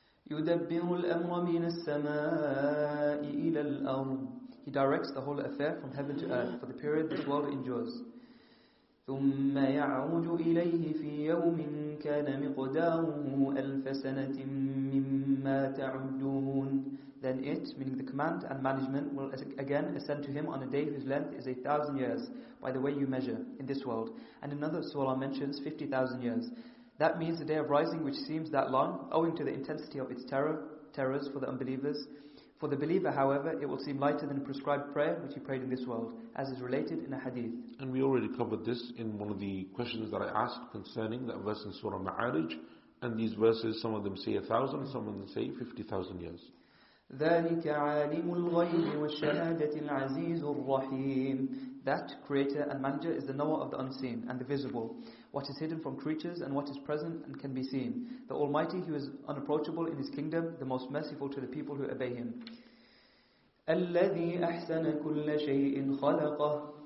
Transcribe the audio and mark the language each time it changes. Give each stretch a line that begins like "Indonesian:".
Arabic: يدبر الأمر من السماء إلى الأرض.
English: He directs the whole affair from heaven to earth for the period this world endures.
Arabic: ثم يعود إليه في يوم كان مقداره ألف سنة مما تعدون.
English: Then it, meaning the command and management, will again ascend to him on a day whose length is 1,000 years, by the way you measure, in this world. And another surah mentions 50,000 years. That means the day of rising, which seems that long, owing to the intensity of its terrors for the unbelievers. For the believer, however, it will seem lighter than a prescribed prayer which he prayed in this world, as is related in a hadith. And we already covered this in one of the questions that I asked concerning that verse in Surah Ma'arij. And these verses, some of them say 1,000, some of them say 50,000 years.
Arabic: ذلك عالم الغيب والشهادة العزيز الرحيم.
English: That creator and manager is the knower of the unseen and the visible, what is hidden from creatures and what is present and can be seen. The Almighty, who is unapproachable in His kingdom, the most merciful to the people who obey Him.
Arabic: الذي أحسن كل شيء خلقه.